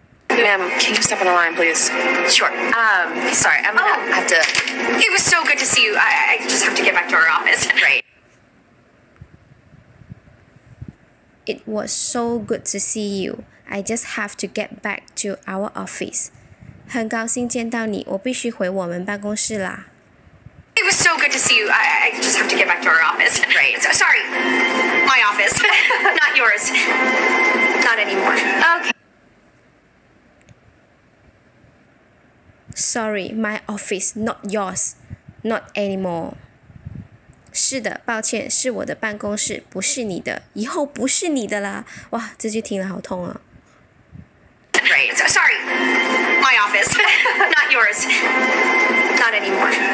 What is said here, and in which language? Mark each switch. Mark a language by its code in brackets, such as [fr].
[en] Ma'am, can you step on the line, please? Sure. Sorry, I'm gonna have to... It was so good to see you. I just have to get back to our office. Right. It was so good to see you. I just have to get back to our office. [zh] 很高兴见到你，我必须回我们办公室啦。 [en] It was so good to see you. I just have to get back to our office. Right. So, sorry. My office. Not yours. Not anymore. Okay. Sorry, my office, not yours, not anymore. [zh] 是的，抱歉，是我的办公室，不是你的，以后不是你的啦。哇，这句听了好痛啊。 [en] Right, sorry, my office, not yours, not anymore.